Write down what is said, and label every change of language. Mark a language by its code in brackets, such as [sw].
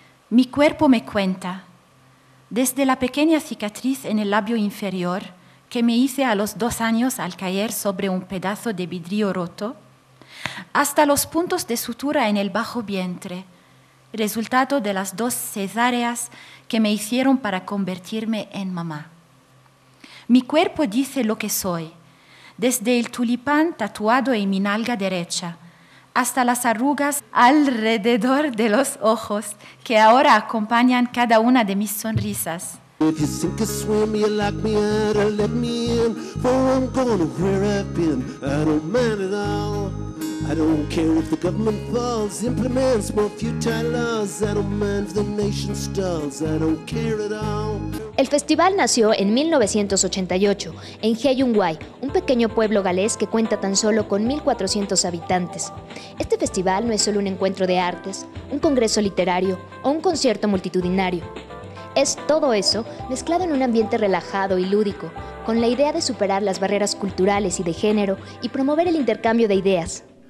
[es] Mi cuerpo me cuenta, desde la pequeña cicatriz en el labio inferior que me hice a los 2 años al caer sobre un pedazo de vidrio roto, hasta los puntos de sutura en el bajo vientre, resultado de las 2 cesáreas que me hicieron para convertirme en mamá. Mi cuerpo dice lo que soy, desde el tulipán tatuado en mi nalga derecha, hasta las arrugas alrededor de los ojos que ahora acompañan cada una de mis sonrisas. [en] If you sink or swim, you lock me out or let me in, for I'm going where I've been, I don't mind at all. I don't care if the government falls, implements more futile laws, I don't mind if the nation stalls, I don't care at all. [es] El festival nació en 1988, en Heyungwai, un pequeño pueblo galés que cuenta tan solo con 1.400 habitantes. Este festival no es solo un encuentro de artes, un congreso literario o un concierto multitudinario. Es todo eso mezclado en un ambiente relajado y lúdico, con la idea de superar las barreras culturales y de género y promover el intercambio de ideas.